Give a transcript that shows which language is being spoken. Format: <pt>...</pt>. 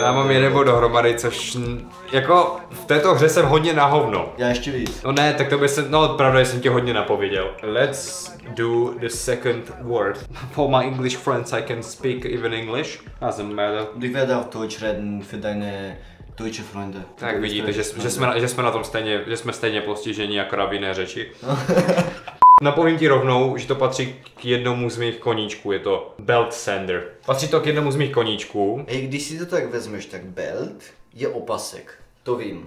<cs>Já mám jeden bod dohromady, což jako v této hře jsem hodně na hovno. Já ještě víc. No ne, tak to by se, no pravda, jsem ti hodně napověděl.</cs> <en>Let's do the second word. For my English friends, I can speak even English. Doesn't matter.</en> <de>Vyvedá v Deutsch reden für deine deutsche Freunde.</de> <cs>Tak vidíte, že jsme na tom stejně, že jsme stejně postižení jako v jiné řeči. Napovím ti rovnou, že to patří k jednomu z mých koníčků, je to belt sander. Patří to k jednomu z mých koníčků. Hej, když si to tak vezmeš, tak belt je opasek. To vím.</cs>